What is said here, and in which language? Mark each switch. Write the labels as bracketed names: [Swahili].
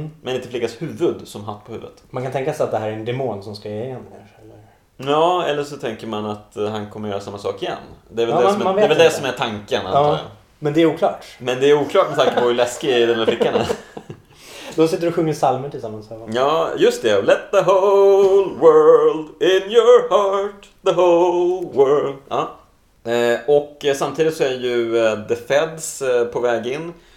[Swedish] Med en liten flickas huvud som hatt på huvudet. Man kan tänka sig att det här är en demon som ska ge igen här. Ja, eller så tänker man att han kommer göra samma sak igen. Det är väl, ja, det är som är tanken, antar jag. Men det är oklart. Men det är oklart med tanke på hur läskig den här flickan är. De sitter och sjunger salmer tillsammans. Ja, just det. [English] Let the whole world in your heart, the whole world. [Swedish] Ja. Och samtidigt så är ju The Feds på väg in.